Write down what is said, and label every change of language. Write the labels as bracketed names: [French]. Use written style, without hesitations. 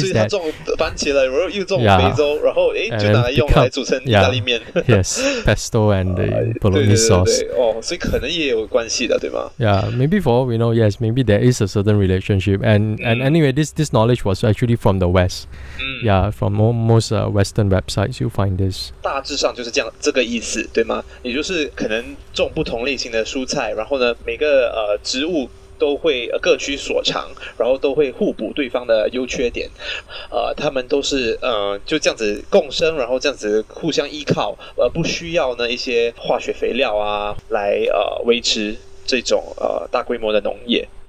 [Chinese] 所以他种番茄了，然后又种 basil, 然后就拿来用来煮成意大利面。 [English] Yes, pesto and the bolognese sauce. [Chinese] 所以可能也有关系的，对吗？ [English] Yeah, maybe for all we know, yes, maybe there is a certain relationship. And anyway, this knowledge was actually from the West. Yeah, from most Western websites, you find this. [Chinese] 大致上就是这样，这个意思，对吗？也就是可能种不同类型的蔬菜，然后呢，每个植物都会各取所长，然后都会互补对方的优缺点，他们都是就这样子共生，然后这样子互相依靠，不需要呢一些化学肥料啊来维持这种大规模的农业。